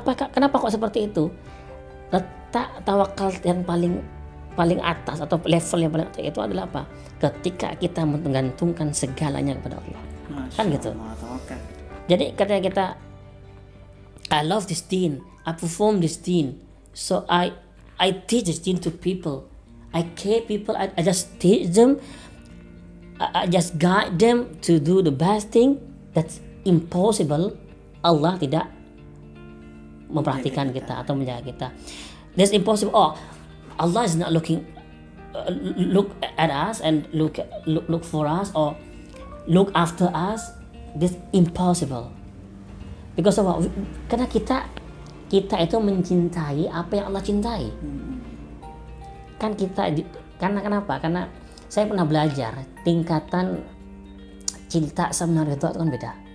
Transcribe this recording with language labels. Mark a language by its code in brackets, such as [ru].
[id] Kenapa kok seperti itu? Letak tawakal yang paling atas atau level yang paling atas itu adalah apa? Ketika kita menggantungkan segalanya kepada Allah. Masya kan gitu. Allah, jadi ketika kita, [en] I love this deen, I perform this deen, so I teach this deen to people, I care people, I just teach them, I just guide them to do the best thing, that's impossible. [id] Allah tidak memperhatikan kita atau menjaga kita. [en] That's impossible. Oh, Allah is not looking look at us and look for us or look after us. That's impossible. Because of, [id] karena kita itu mencintai apa yang Allah cintai. Kan kita, karena kenapa? Karena saya pernah belajar tingkatan cinta sama ridha itu kan beda.